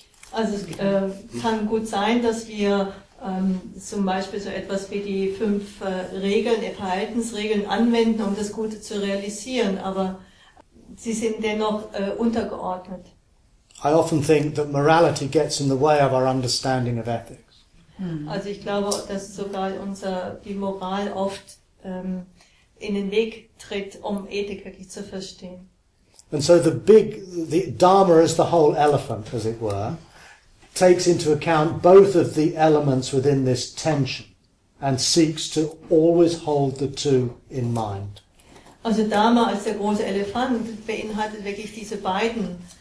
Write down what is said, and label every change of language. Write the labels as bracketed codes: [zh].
[de] Also es kann gut sein, dass wir zum Beispiel so etwas wie die fünf Regeln, die Verhaltensregeln anwenden, um das Gute zu realisieren, aber sie sind dennoch untergeordnet. [en] I often think that morality gets in the way of our understanding of ethics. [de] Also ich glaube, dass sogar die Moral oft in den Weg tritt, um Ethik wirklich zu verstehen. [en] And so the Dharma is the whole elephant, as it were. Takes into account both of the elements within this tension and seeks to always hold the two in mind. [de] Also Dharma als der große Elefant beinhaltet wirklich diese beiden